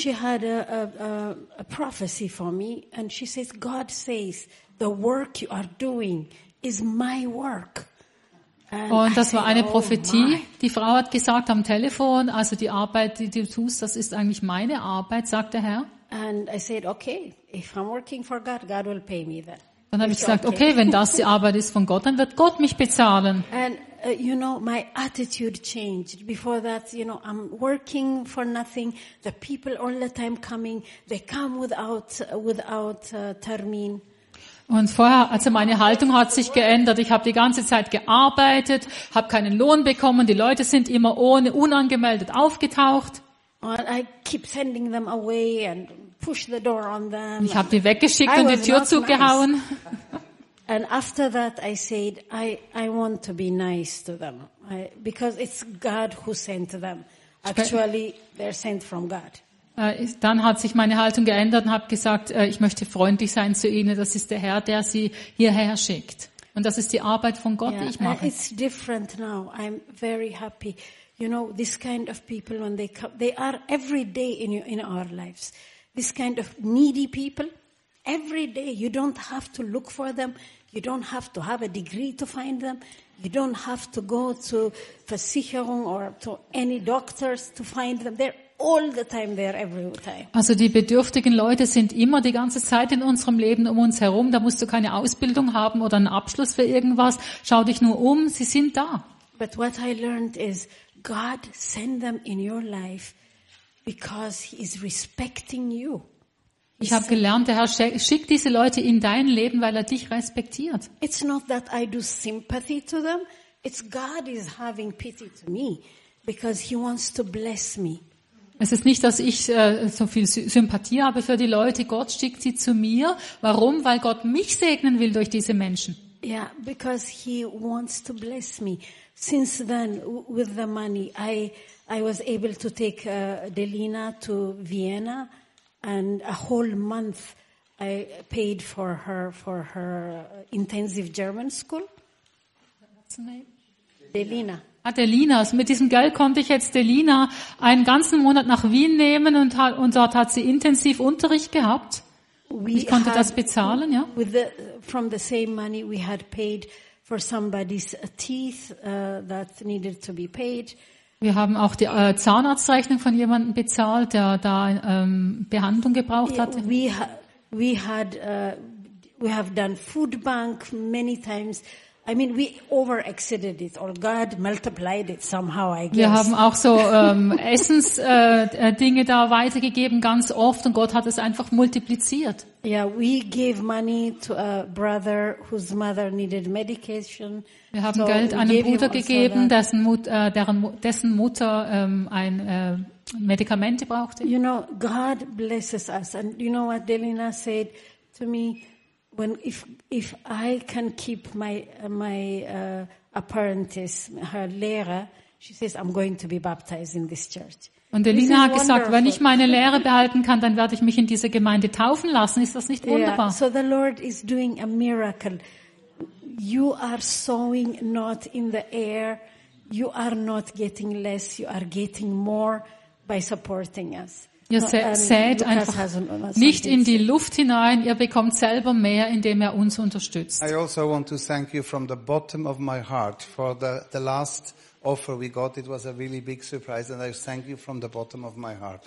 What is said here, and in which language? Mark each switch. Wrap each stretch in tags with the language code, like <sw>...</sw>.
<en>And she had a prophecy for me, and she says, God says, the work you are doing is my work.</en> <de>Und das war eine Prophetie. Die Frau hat gesagt am Telefon, also die Arbeit, die du tust, das ist eigentlich meine Arbeit, sagt der Herr.</de> <en>And I said, okay, if I'm working for God, God will pay me then.</en> <de>Dann habe ich gesagt, okay, wenn das die Arbeit ist von Gott, dann wird Gott mich bezahlen.</de> <en>And you know, my attitude changed. Before that, you know, I'm working for nothing. The people all the time coming, they come without Termin.</en> <de>Und vorher, also meine Haltung hat sich geändert. Ich habe die ganze Zeit gearbeitet, habe keinen Lohn bekommen. Die Leute sind immer ohne, unangemeldet aufgetaucht.</de> <en>And I keep sending them away and push the door on them.</en> <de>Ich habe die weggeschickt und die Tür zugehauen.</de> <en>And after that I said, I want to be nice to them. Because it's God who sent them. Actually, they're sent from God.</en> <de>Dann hat sich meine Haltung geändert und habe gesagt, ich möchte freundlich sein zu Ihnen. Das ist der Herr, der Sie hierher schickt. Und das ist die Arbeit von Gott, die ich mache.</de> <en>It's different now. I'm very happy. You know, this kind of people, when they come, they are every day in our lives. This kind of needy people, every day. You don't have to look for them. You don't have to have a degree to find them. You don't have to go to Versicherung or to any doctors to find them. They're all the time there, every time.</en> <de>Also die bedürftigen Leute sind immer die ganze Zeit in unserem Leben um uns herum. Da musst du keine Ausbildung haben oder einen Abschluss für irgendwas. Schau dich nur um, sie sind da.</de> <en>But what I learned is, God send them in your life because he is respecting you.</en> <de>Ich habe gelernt, der Herr schickt diese Leute in dein Leben, weil er dich respektiert.</de> <en>It's not that I do sympathy to them. It's God is having pity to me because he wants to bless me.</en> <de>Es ist nicht, dass ich so viel Sympathie habe für die Leute. Gott schickt sie zu mir. Warum? Weil Gott mich segnen will durch diese Menschen.</de> <en>Yeah, because he wants to bless me. Since then, with the money, I was able to take Delina to Vienna, and a whole month I paid for her intensive German school. What's her name? Delina.</en> <de>Adelina, mit diesem Geld konnte ich jetzt Delina einen ganzen Monat nach Wien nehmen und dort hat sie intensiv Unterricht gehabt. Ich konnte das bezahlen, ja.</de> <en>From the same money we had paid for somebody's teeth that needed to be paid.</en> <de>Wir haben auch die Zahnarztrechnung von jemandem bezahlt, der da Behandlung gebraucht hatte.</de> <en>We have done food bank many times. I mean, we over exceeded it, or God multiplied it somehow, I guess.</en> <de>Wir haben auch so Essensdinge da weitergegeben ganz oft, und Gott hat es einfach multipliziert.</de> <en>Yeah, we gave money to a brother whose mother needed medication.</en> <de>Wir haben Geld einem Bruder gegeben, dessen Mutter Medikamente brauchte.</de> <en>You know, God blesses us, and you know what Delina said to me. If I can keep my apprentice, her Lehrer, she says, I'm going to be baptized in this church.</en> <de>Und Delina hat gesagt, wenn ich meine Lehre behalten kann, dann werde ich mich in dieser Gemeinde taufen lassen. Ist das nicht wunderbar?</de> <en>Yeah. So the Lord is doing a miracle. You are sowing not in the air. You are not getting less. You are getting more by supporting us.</en> <de>Ihr sät einfach nicht in die Luft hinein, ihr bekommt selber mehr, indem ihr uns unterstützt.</de> <en>I also want to thank you from the bottom of my heart for the last offer we got. It was a really big surprise and I thank you from the bottom of my heart.</en>